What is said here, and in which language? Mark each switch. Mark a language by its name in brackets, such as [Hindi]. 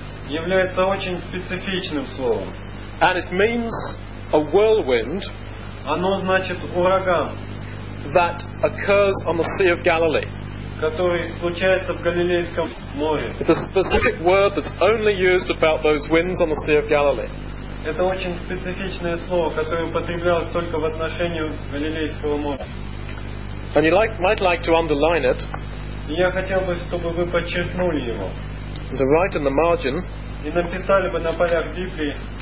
[Russian] Является очень специфичным словом. [English] And it means a whirlwind. [Russian] Оно значит ураган. [English] That occurs on the Sea of Galilee. [Russian] Который случается в Галилейском море. [English] It's a specific word that's only used about those winds on the Sea of Galilee. [Russian] Это очень специфичное слово, которое употреблялось только в отношении Галилейского моря. [English] And you might like to underline it. [Russian] Я хотел бы, чтобы вы подчеркнули его. [English] To write in the margin. [Russian] И написали бы на полях Библии.